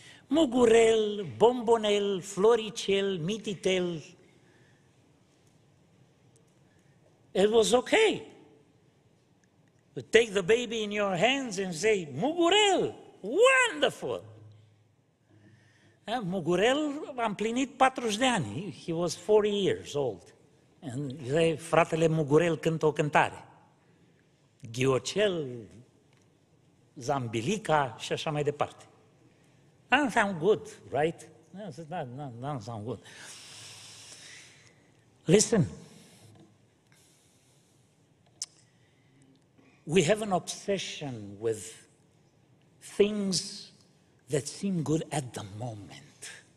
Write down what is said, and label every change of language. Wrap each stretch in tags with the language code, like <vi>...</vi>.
<ro>Mugurel, Bombonel, Floricel, Mititel.</ro> <en>It was okay. You take the baby in your hands and say, Mugurel, wonderful!</en> <ro>Mugurel a împlinit 40 de ani.</ro> <en>He was 40 years old. And you say,</en> <ro>fratele Mugurel cântă o cântare. Ghiocel, Zambilica, și așa mai departe.</ro> <en>Doesn't sound good, right? Doesn't sound good. Listen. We have an obsession with things that seem good at the moment.</en>